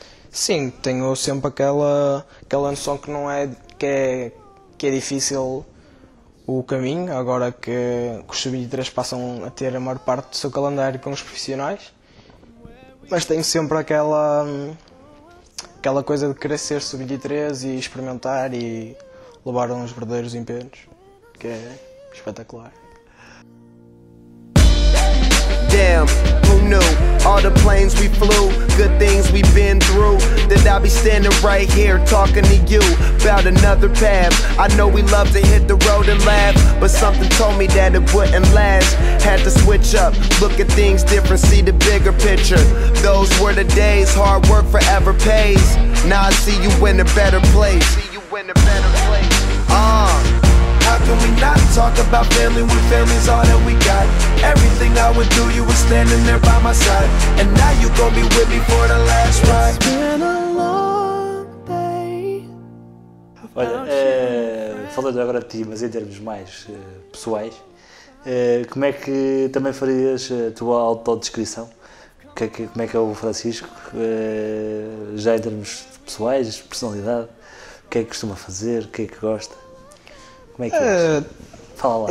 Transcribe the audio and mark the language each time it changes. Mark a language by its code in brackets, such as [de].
[pt] Sim, tenho sempre aquela noção que não é que é difícil o caminho, agora que os sub-23 passam a ter a maior parte do seu calendário com os profissionais, mas tenho sempre aquela coisa de querer ser sub-23 e experimentar e levaram os verdadeiros empenhos, que é espetacular. [en] Damn, who knew? All the planes we flew, good things we've been through. Then I'll be standing right here talking to you about another path. I know we love to hit the road and laugh, but something told me that it wouldn't last. Had to switch up, look at things different, see the bigger picture. Those were the days, hard work forever pays. Now I see you in a better place. See you in a better place. How can we not talk about family when family's all that we got? Everything I would do, you were standing there by my side. And now you gon' be with me for the last ride. It's been a long day. [pt] Olha, falando agora de ti, mas em termos mais pessoais, como é que também farias a tua autodescrição? Como é que é o Francisco? Já em termos pessoais, personalidade, o que é que costuma fazer? O que é que gosta? Como é que é? Fala lá.